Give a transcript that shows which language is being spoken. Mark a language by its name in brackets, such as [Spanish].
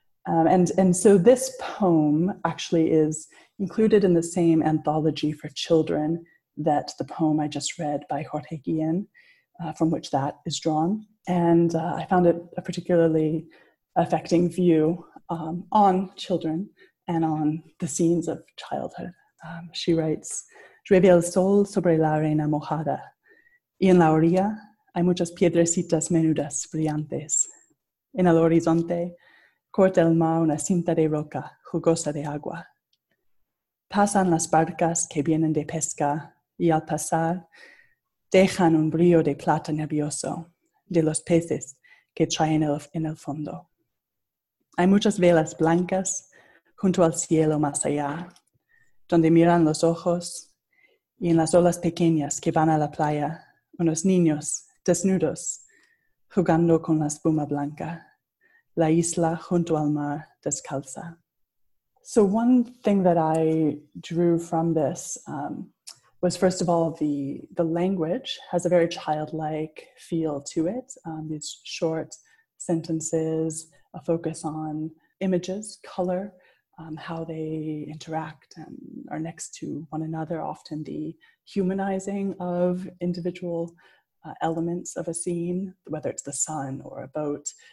[English] And so this poem actually is included in the same anthology for children that the poem I just read by Jorge Guillén, from which that is drawn. And I found it a particularly affecting view on children and on the scenes of childhood. She writes, [Spanish] "Llueve el sol sobre la arena mojada, y en la orilla hay muchas piedrecitas menudas brillantes. En el horizonte, corta el mar una cinta de roca jugosa de agua. Pasan las barcas que vienen de pesca y al pasar dejan un brillo de plata nervioso de los peces que traen en el fondo. Hay muchas velas blancas junto al cielo más allá, donde miran los ojos y en las olas pequeñas que van a la playa unos niños desnudos jugando con la espuma blanca. La isla junto al mar descalza." [English] So one thing that I drew from this was, first of all, the language has a very childlike feel to it. These short sentences, a focus on images, color, how they interact and are next to one another, often the humanizing of individual elements of a scene, whether it's the sun or a boat.